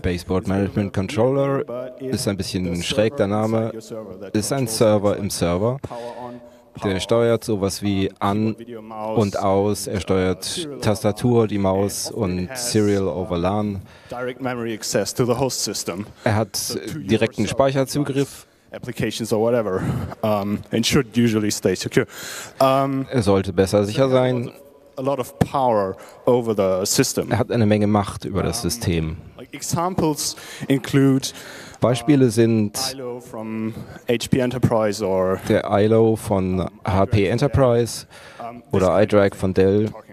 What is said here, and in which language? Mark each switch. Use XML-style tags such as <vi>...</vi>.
<de>Baseboard Management Controller ist ein bisschen schräg, der Name. Ist ein Server im Server. Der steuert sowas wie an und aus, er steuert Tastatur, die Maus und Serial over LAN. Er hat direkten Speicherzugriff.</de> <en>Applications or whatever, and should usually stay secure.</en> <de>Er sollte besser sicher sein.</de> <en>A lot of power over the system.</en> <de>Er hat eine Menge Macht über das System.</de> <en>Like examples include</en> <de>Beispiele sind</de> <en>ILO from HP Enterprise or</en> <de>der ILO von HP Enterprise oder iDRAC von Dell.</de>